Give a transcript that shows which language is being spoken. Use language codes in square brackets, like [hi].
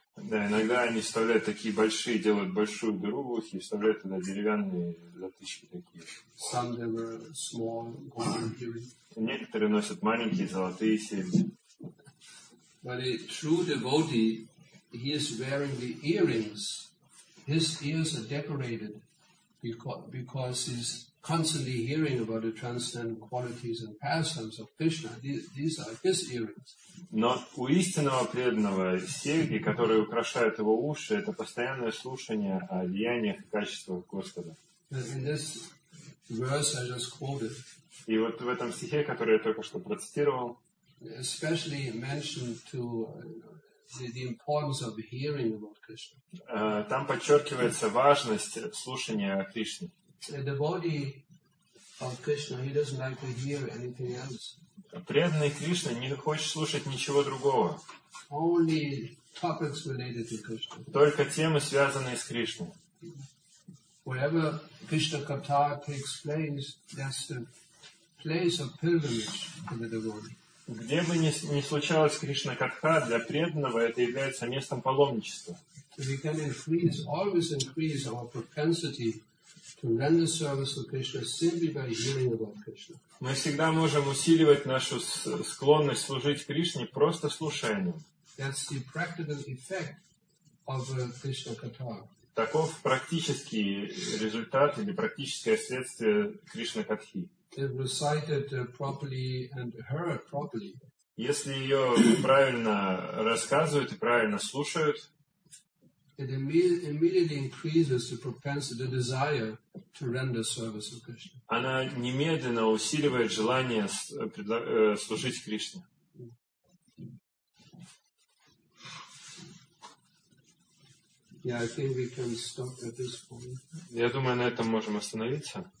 [ru] Да, иногда они вставляют такие большие, делают большую дыру в ухе и вставляют туда деревянные затычки такие. [en] Some they were small, golden earrings. [ru] Некоторые носят маленькие золотые серьги. [en] But a true devotee, he is wearing the earrings. His ears are decorated because he's constantly hearing about the transcendental qualities and pastimes of Krishna. These are his earrings. [ru] Но у истинного преданного серьги, которые украшают его уши, это постоянное слушание о деяниях и качествах Господа. [en] In this verse I just quoted, [ru] и вот в этом стихе, который я только что процитировал, [en] especially mentioned to the importance of hearing about Krishna. [ru] Там подчеркивается важность слушания о Кришне. [en] The devotee of Krishna, he doesn't like to hear anything else. [ru] Преданный Кришна не хочет слушать ничего другого. [en] Only topics related to Krishna. [ru] Только темы, связанные с Кришной. [en] Wherever Krishna Katha takes place, that's the place of pilgrimage for the devotee. [ru] Где бы ни случалось Кришна Катха, для преданного это является местом паломничества. [en] We can always increase our propensity. [ru] Мы всегда можем усиливать нашу склонность служить Кришне, просто слушая о нем. Таков практический результат или практическое следствие Кришна Катхи. Если ее правильно рассказывают и правильно слушают, [en] it immediately increases the propensity, the desire to render service to Krishna. [ru] Она немедленно усиливает желание служить Кришне. [en] Yeah, I think we can stop at this point. [ru] Я думаю, на этом можем остановиться.